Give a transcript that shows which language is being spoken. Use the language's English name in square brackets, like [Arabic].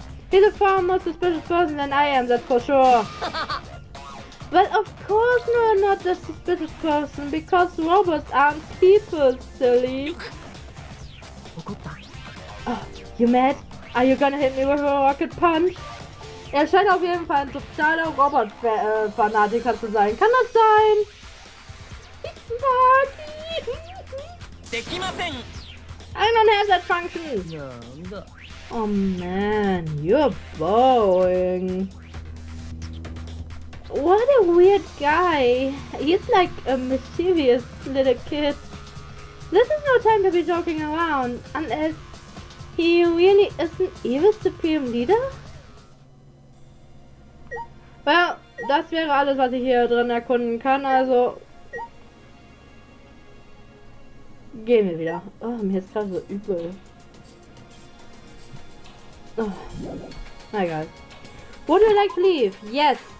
[English] He's a far more suspicious person than I am, that's for sure. Well, of course you're not a suspicious person, because robots aren't people, silly. Oh, you mad? Are you gonna hit me with a rocket punch? [German] Er scheint auf jeden Fall ein totaler Robot-Fanatiker zu sein. Kann das sein? Ich mag ihn! [English] I don't have that function! Oh man, you're boring. What a weird guy. He's like a mischievous little kid. This is no time to be joking around, unless he really is an evil supreme leader? [German] Well, das wäre alles, was ich hier drin erkunden kann, also... Gehen wir wieder. Oh, mir ist gerade so übel. Na egal. [English] Would you like to leave? Yes.